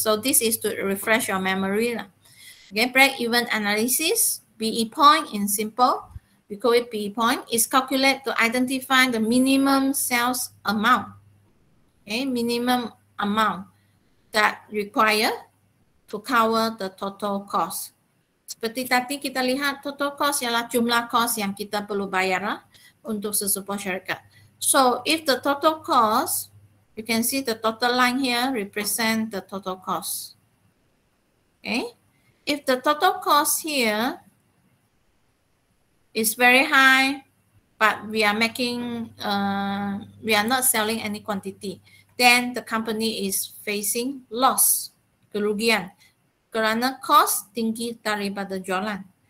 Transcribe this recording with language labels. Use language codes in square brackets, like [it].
[en] So this is to refresh your memory. Okay, break-even analysis, BE point in simple, we call it BE point, is calculated to identify the minimum sales amount. Okay, minimum amount that require to cover the total cost. [ms] Seperti tadi kita lihat, total cost ialah jumlah cost yang kita perlu bayar untuk sesebuah syarikat. [en] So if the total cost, you can see the total line here represent the total cost. Okay, if the total cost here is very high, but we are making, we are not selling any quantity, then the company is facing loss, [ms] kerugian, kerana cost tinggi daripada jualan.